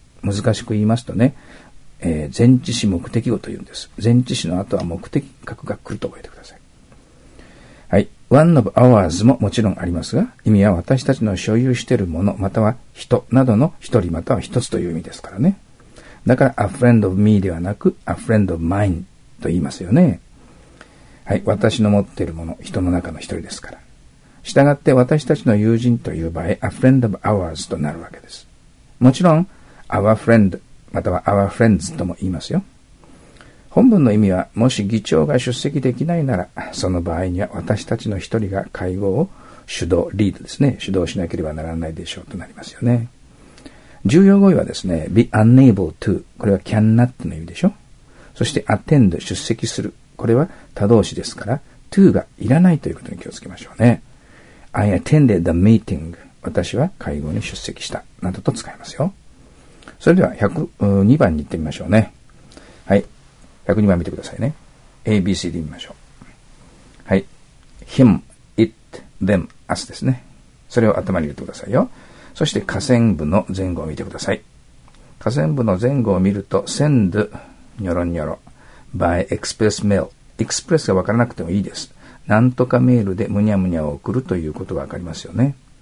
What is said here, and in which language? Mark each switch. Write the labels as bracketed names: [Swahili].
[Japanese] 難しく言いますとね、前置詞目的語というんです。前置詞の後は目的格が来ると覚えてください。はい。 [English] one of ours [Japanese] ももちろんありますが、意味は私たちの所有しているものまたは人などの一人または一つという意味ですからね。だから [English] a friend of me [Japanese] ではなく [English] a friend of mine [Japanese] と言いますよね。はい、私の持っているもの、人の中の一人ですから。したがって私たちの友人という場合、 [English] a friend of ours [Japanese] となるわけです。もちろん、 [English] our friend [Japanese] または [English] our friends [Japanese] とも言いますよ。本文の意味は、もし議長が出席できないなら、その場合には私たちの一人が会合を主導、リードですね、主導しなければならないでしょうとなりますよね。重要語彙はですね、 [English] be unable to、 [Japanese] これは cannot の意味でしょ。そして [English] attend、 [Japanese] 出席する。これは他動詞ですから、to がいらないということに気をつけましょうね。 [English] I attended the meeting. [Japanese] 私は会合に出席した。などと使いますよ。それでは102番に行ってみましょうね。はい。102番見てくださいね。ABCD 見ましょう。はい。 [English] him, it, them, us ですね。 [Japanese] それを頭に入れてくださいよ。そして下線部の前後を見てください。下線部の前後を見ると、send, にょろにょろ。 [English] by express mail. [Japanese] express が分からなくてもいいです。なんとかメールでむにゃむにゃを送るということが分かりますよね。